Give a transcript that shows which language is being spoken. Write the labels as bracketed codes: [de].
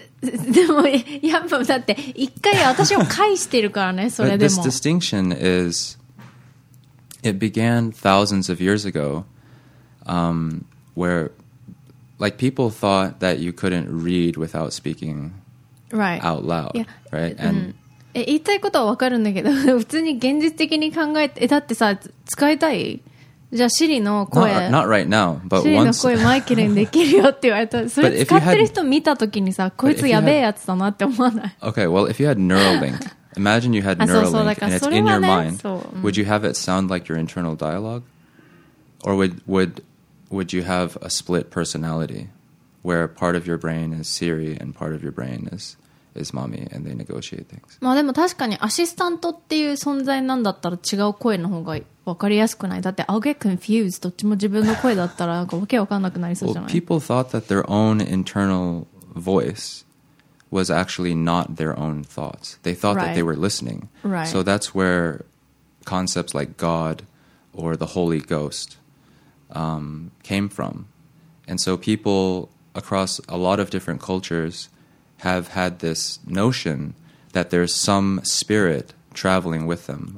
[ja] でもやっぱだって一回私を返してるからねそれでも [en] This distinction is it began thousands of years ago、where like people thought that you couldn't read without speaking、 right. out loud、 yeah. right? And、 [ja] うん、言いたいことは分かるんだけど普通に現実的に考えてだってさ使いたいじゃあシリの声 [en] not right now, but [ja] シリの声マイケルにできるよって言われたそれ使ってる人見たときにさこいつやべえやつだなって思わない [en] Okay, well if you had Neuralink imagine you had Neuralink and it's in your mind、うん、 would you have it sound like your internal dialogue? Or would you have a split personality where part of your brain is Siri and part of your brain is mommy and they negotiate things [ja] まあでも確かにアシスタントっていう存在なんだったら違う声の方がいい分かりやすくないだって [en] I'll get confused [ja] どっちも自分の声だったらなんかわけわかんなくなりそうじゃない [en] well, people thought that their own internal voice was actually not their own thoughts they thought、 right. that they were listening、 right. so that's where concepts like God or the Holy Ghost、came from and so people across a lot of different cultures have had this notion that there's some spirit traveling with them